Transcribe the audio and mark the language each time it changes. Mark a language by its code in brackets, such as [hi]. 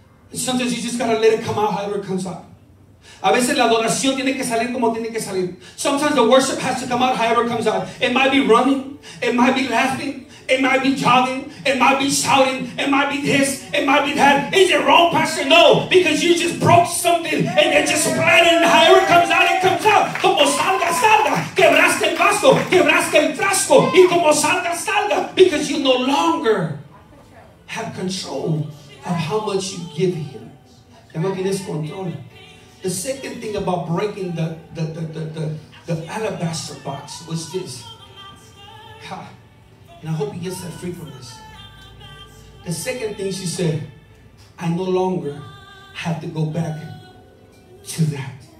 [en] And sometimes you just got to let it come out however it comes out. [es] A veces la adoración tiene que salir como tiene que salir. [en] Sometimes the worship has to come out however it comes out. It might be running. It might be laughing. It might be jogging. It might be shouting. It might be this. It might be that. Is it wrong, Pastor? No, because you just broke something and it just spread and however it comes out, [es] como salga, salga. Quebraste el vaso, quebraste el frasco, y como salga, salga. [en] Because you no longer have control of how much you give him. [es] Ya no tienes control. [en] The second thing about breaking the alabaster box was this. Ha. And I hope he gets that free from this. The second thing she said, I no longer have to go back to that.